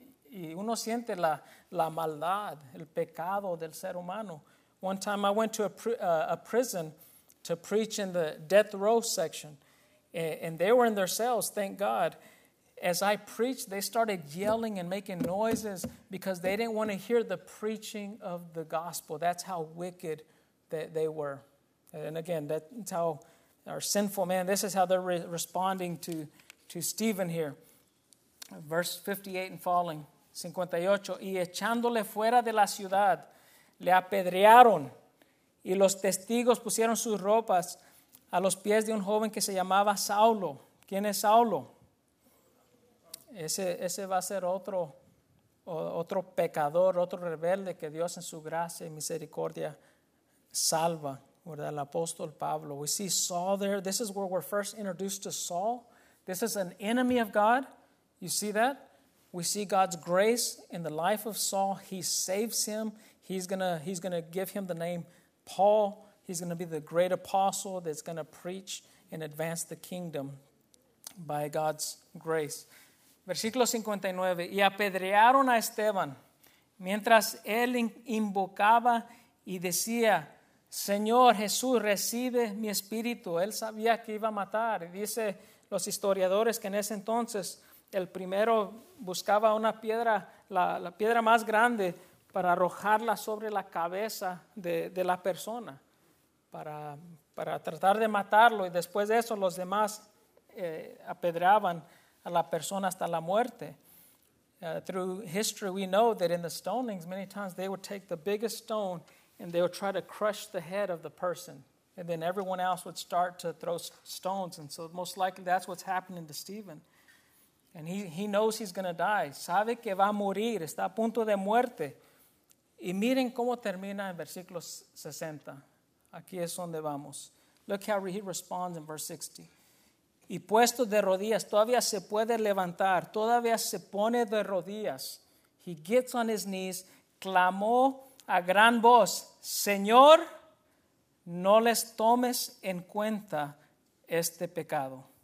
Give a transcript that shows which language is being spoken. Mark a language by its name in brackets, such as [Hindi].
[Spanish] Y uno siente la maldad, el pecado del ser humano. [English] One time I went to a prison to preach in the death row section, and they were in their cells, thank God. As I preached, they started yelling and making noises because they didn't want to hear the preaching of the gospel. That's how wicked that they were. And again, that's how our sinful man, this is how they're responding to Stephen here. Verse 58 and following. [Spanish] 58, y echándole fuera de la ciudad, le apedrearon, y los testigos pusieron sus ropas a los pies de un joven que se llamaba Saulo. ¿Quién es Saulo? Ese va a ser otro pecador, otro rebelde que Dios en su gracia y misericordia salva, ¿verdad? El apóstol Pablo. [English] We see Saul there. This is where we're first introduced to Saul. This is an enemy of God. You see that? We see God's grace in the life of Saul. He saves him. He's gonna give him the name Paul. He's gonna be the great apostle that's gonna preach and advance the kingdom by God's grace. [Spanish] Versículo 59. Y apedrearon a Esteban mientras él invocaba y decía, Señor Jesús, recibe mi espíritu. Él sabía que iba a matar. Dice los historiadores que en ese entonces el primero buscaba una piedra, la piedra más grande para arrojarla sobre la cabeza de la persona para tratar de matarlo. Y después de eso los demás apedreaban a la persona hasta la muerte. [English] Through history we know that in the stonings, many times they would take the biggest stone and they would try to crush the head of the person. And then everyone else would start to throw stones. And so most likely that's what's happening to Stephen. And he knows he's going to die. [Spanish] Sabe que va a morir. Está a punto de muerte. Y miren cómo termina en versículo 60. Aquí es donde vamos. [English] Look how he responds in verse 60. [Spanish] Y puesto de rodillas, todavía se puede levantar. Todavía se pone de rodillas. [English] He gets on his knees. [Spanish] Clamó a gran voz. Señor, no les tomes en cuenta este pecado.